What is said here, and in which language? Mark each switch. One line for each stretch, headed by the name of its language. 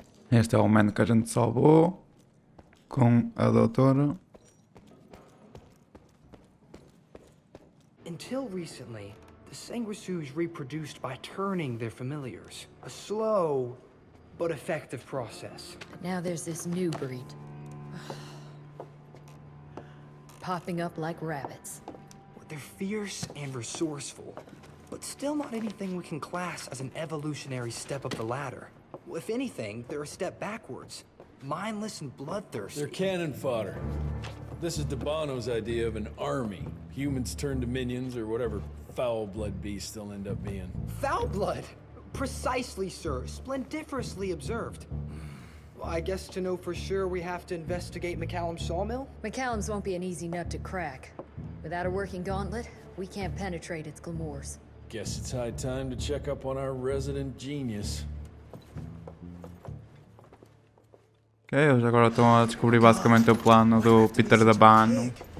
Portuguese: Este é o momento que a gente salvou com a doutora.
English: Until recently, the Sanguisus reproduced by turning their familiars. A slow, but effective process. But now there's this new breed. Popping up like rabbits. They're fierce and resourceful, but still not anything we can class as an evolutionary step up the ladder. If anything, they're a step backwards. Mindless and bloodthirsty. They're cannon fodder. This is DeBono's idea of an army. Humans turned to minions, or whatever foul blood beasts they'll end up being. Foul blood? Precisely, sir. Splendiferously observed. Well, I guess to know for sure we have to investigate McCallum's sawmill? McCallum's won't be an easy nut to crack. Without a working gauntlet, we can't penetrate its glamours. Guess it's high time to check up on our resident genius.
Portuguese: Ok, eles agora estão a descobrir basicamente o plano do Peter da Bano.